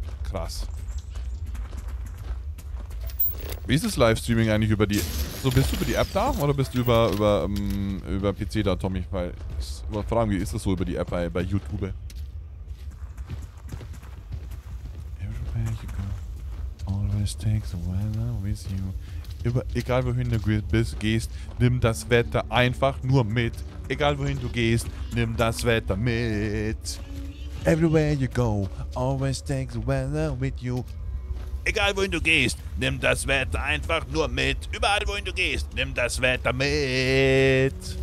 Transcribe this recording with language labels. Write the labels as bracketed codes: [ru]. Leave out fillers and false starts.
[de] Krass. Wie ist das Livestreaming eigentlich über die... So, bist du über die App da? Oder bist du über PC da, Tommy? Weil, fragen wir, ist das so über die App bei YouTube? [en] Always takes weather with you. [de] Egal wohin du gehst, nimm das Wetter einfach nur mit. Egal wohin du gehst, nimm das Wetter mit. [en] Everywhere you go, always takes weather with you. [de] Egal wohin du gehst, nimm das Wetter einfach nur mit. Überall wohin du gehst, nimm das Wetter mit.